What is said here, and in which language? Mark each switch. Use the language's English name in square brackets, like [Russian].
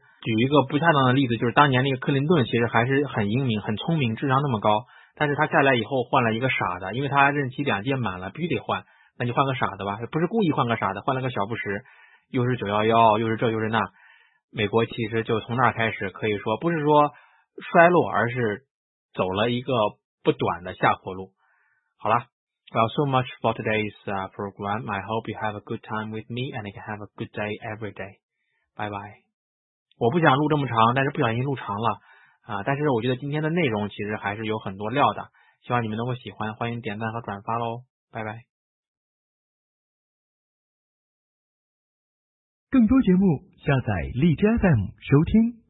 [Chinese] 举一个不恰当的例子，就是当年那个克林顿其实还是很英明很聪明，智商那么高，但是他下来以后换了一个傻的，因为他任期两届满了必须得换，那就换个傻的吧，不是故意换个傻的，换了个小布什，又是911又是这又是那，美国其实就从那开始可以说不是说衰落，而是走了一个不短的下坡路。好了， [English] Well, so much for today's program. I hope you have a good time with me and you can have a good day every day. [Chinese] 拜拜。我不想录这么长，但是不小心录长了啊。但是我觉得今天的内容其实还是有很多料的，希望你们能够喜欢，欢迎点赞和转发喽，拜拜。更多节目下载荔枝 FM 收听。